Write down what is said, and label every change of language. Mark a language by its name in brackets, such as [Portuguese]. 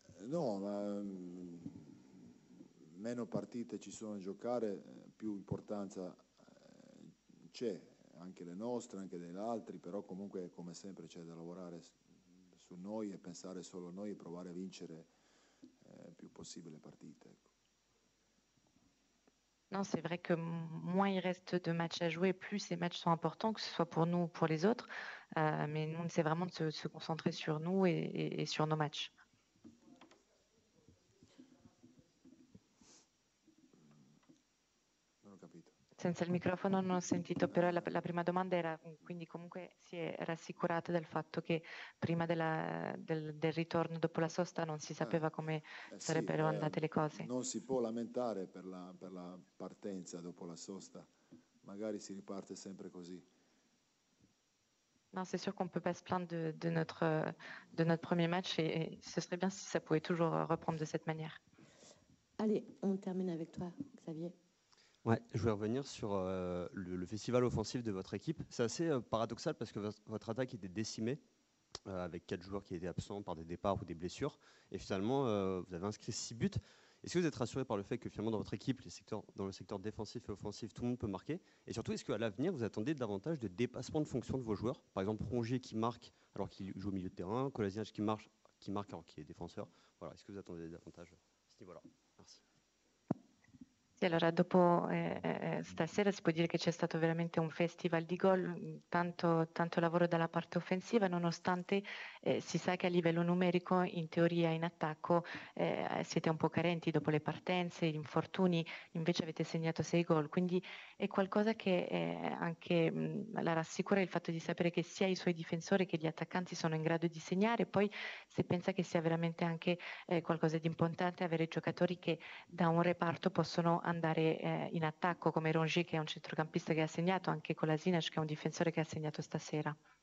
[Italian] No, ma meno partite ci sono a giocare, più importanza c'è, anche le nostre, anche degli altri, però comunque come sempre c'è da lavorare su noi e pensare solo a noi e provare a vincere più possibile partite. [French] Non, c'est vrai que moins il reste de matchs à jouer, plus ces matchs sont importants, que ce soit pour nous ou pour les autres. Mais nous, c'est vraiment de se concentrer sur nous et sur nos matchs. [Italian] Senza il microfono non ho sentito, però la prima domanda era, quindi comunque si è rassicurata del fatto che prima del ritorno dopo la sosta non si sapeva come sarebbero andate le cose. Non si può lamentare per la partenza dopo la sosta, magari si riparte sempre così. [French] Non, c'est sûr qu'on ne peut pas se plaindre de notre premier match et ce serait bien si ça pouvait toujours reprendre de cette manière. Allez, on termine avec toi, Xavier. Ouais, je voulais revenir sur le festival offensif de votre équipe. C'est assez paradoxal parce que votre attaque était décimée avec 4 joueurs qui étaient absents par des départs ou des blessures. Et finalement, vous avez inscrit 6 buts. Est-ce que vous êtes rassuré par le fait que finalement dans votre équipe, dans le secteur défensif et offensif, tout le monde peut marquer? Et surtout, est-ce qu'à l'avenir, vous attendez davantage de dépassement de fonction de vos joueurs? Par exemple, Rongier qui marque alors qu'il joue au milieu de terrain, Kolasinac qui marque alors qu'il est défenseur. Voilà, est-ce que vous attendez davantage à ce niveau-là? Merci. [Italian] Sì, allora dopo stasera si può dire che c'è stato veramente un festival di gol, tanto, tanto lavoro dalla parte offensiva, nonostante si sa che a livello numerico in teoria in attacco siete un po' carenti dopo le partenze, gli infortuni, invece avete segnato 6 gol, quindi è qualcosa che anche la rassicura il fatto di sapere che sia i suoi difensori che gli attaccanti sono in grado di segnare, poi si pensa che sia veramente anche qualcosa di importante avere giocatori che da un reparto possono andare in attacco come Rongier che è un centrocampista che ha segnato, anche con Kolasinac che è un difensore che ha segnato stasera.